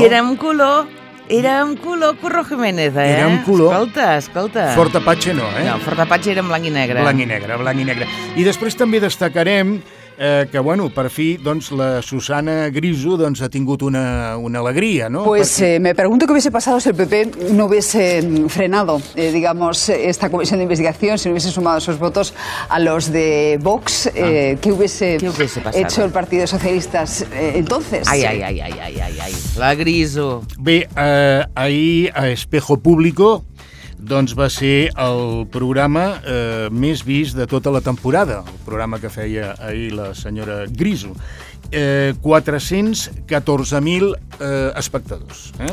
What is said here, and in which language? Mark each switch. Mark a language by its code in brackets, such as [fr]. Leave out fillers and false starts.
[ca] I era un color, Curro Jiménez, eh? Era un color. Escolta. Fort Apache no, eh? No, Fort Apache era blanc i negre. I després també destacarem que, bueno, per fi, doncs, la Susana Griso, doncs, ha tingut una alegria, no? [es] Pues me pregunto qué hubiese pasado si el PP no hubiese frenado, digamos, esta comisión de investigación, si no hubiese sumado sus votos a los de Vox. ¿Qué hubiese pasado? Hecho el Partido Socialista entonces. Ay, la Griso. [ca] Bé, ahí a Espejo Público, doncs, va ser el programa més vist de tota la temporada, el programa que feia ahir la senyora Griso. 414.000 espectadors.